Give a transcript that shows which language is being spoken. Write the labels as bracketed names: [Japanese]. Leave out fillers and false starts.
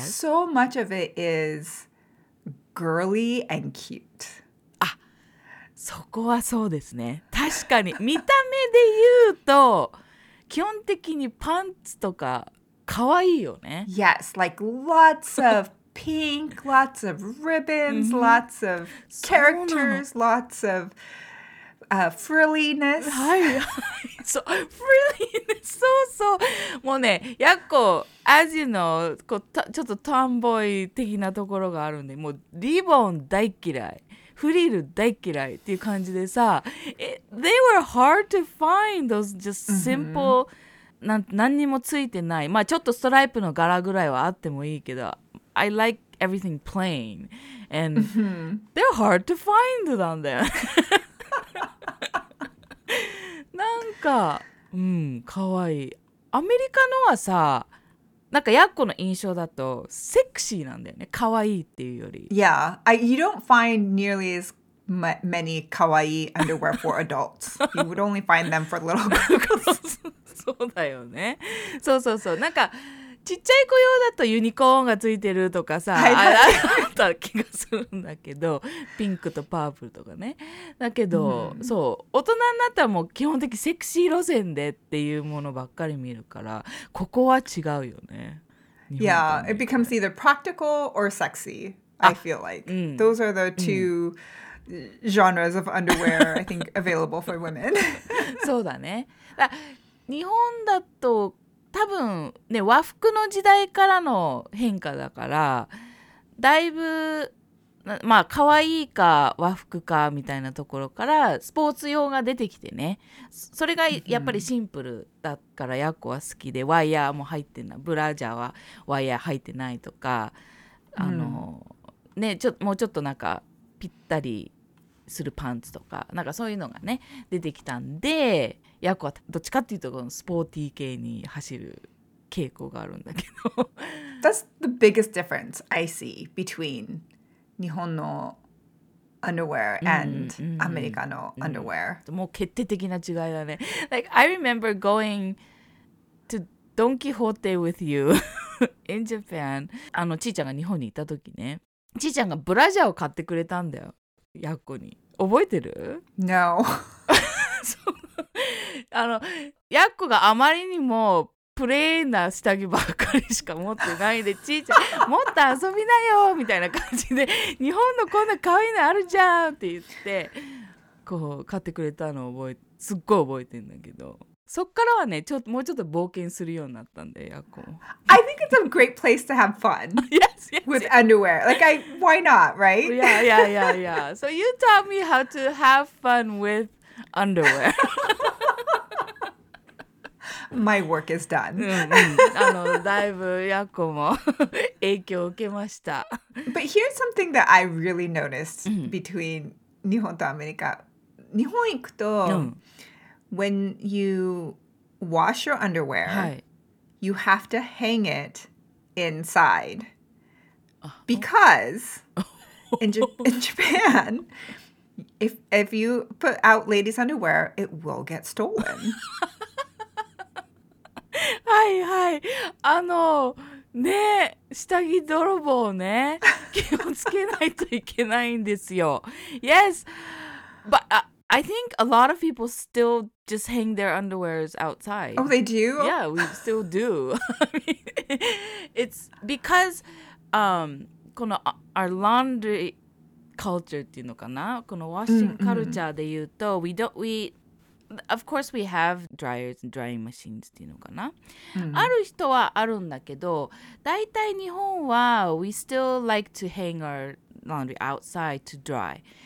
[English] So much of it is girly and cute. [Japanese] あ、そこはそうですね。確かに見た目で言うと基本的にパンツとかかわいいよね。 [English] Yes, like lots of pink, lots of ribbons, lots of characters, lots of frilliness. [Japanese] はい、そう、frilliness、そうそう。もうね、やっこ、 [English] as you know, [Japanese] こうたちょっとtomboy的なところがあるんで、もうリボン大嫌い、フリル大嫌いっていう感じでさ、 [English] they were hard to find those just simple、 [Japanese] 何にもついてない、まあちょっとストライプの柄ぐらいはあってもいいけど、 [English] I like everything plain, and they're hard to find down there. [Japanese] なんか、うん、かわいい。アメリカのはさ、なんかヤッコの印象だとセクシーなんだよね。かわいいっていうより。 [English] Yeah, you don't find nearly as many かわいい underwear for adults. You would only find them for little girls. [Japanese] そうだよね。そうそうそう。なんか、ちっちゃい子用だとユニコーンがついてるとかさ、はい、あった気がするんだけど、ピンクとパープルとかね。だけど、うん、そう、大人になったらもう基本的にセクシー路線でっていうものばっかり見るから、ここは違うよね。 [English] Yeah, it becomes either practical or sexy, I feel like.、うん、Those are the two、うん、genres of underwear, I think, available for women. [Japanese] そうだね。だ日本だと、多分ね和服の時代からの変化だからだいぶまあ可愛いか和服かみたいなところからスポーツ用が出てきてねそれがやっぱりシンプルだからヤッコは好きでワイヤーも入ってないブラジャーはワイヤー入ってないとかあの、うん、ねちょもうちょっとなんかぴったりするパンツとかなんかそういうのがね出てきたんでヤコはどっちかっていうとこのスポーティー系に走る傾向があるんだけど [English] That's the biggest difference I see between [Japanese] 日本の [English] underwear and [Japanese] アメリカの [English] underwear、 [Japanese] うんうん、もう決定的な違いだね [English] Like I remember going to Don Quixote with you in Japan [Japanese] あのちーちゃんが日本にいた時ねちーちゃんがブラジャーを買ってくれたんだよヤッコに覚えてる [English] No あのヤッコがあまりにもプレーンな下着ばっかりしか持ってないでちーちゃんもっと遊びなよみたいな感じで日本のこんな可愛いのあるじゃんって言ってこう買ってくれたのを覚えすっごい覚えてんだけどそっからはねちょっともうちょっと冒険するようになったんだよヤッコ I think it's a great place to have fun yes, yes, with underwear like I why not right yeah yeah yeah yeah so you taught me how to have fun with underwear my work is done [Japanese] うん、うん、あのだいぶヤッコも影響を受けました [English] but here's something that I really noticed between [Japanese] 日本とアメリカ日本行くと、 [English] うんWhen you wash your underwear,、 [Japanese] はい、 [English] you have to hang it inside because in Japan, if you put out ladies' underwear, it will get stolen. [Japanese] はいはい。あのね、下着泥棒ね、気をつけないといけないんですよ。 [English] Yes, but...、I think a lot of people still just hang their underwears outside. Oh, they do? Yeah, we still do. I mean, it's because [Japanese] このアランドリーカルチャーっていうのかな、このワッシングカルチャーで言うと、うんうん、 [English] we don't, we, of course we have dryers and drying machines [Japanese] っていうのかな、うん、ある人はあるんだけど、だいたい日本は [English] we still like to hang our laundry outside to dry。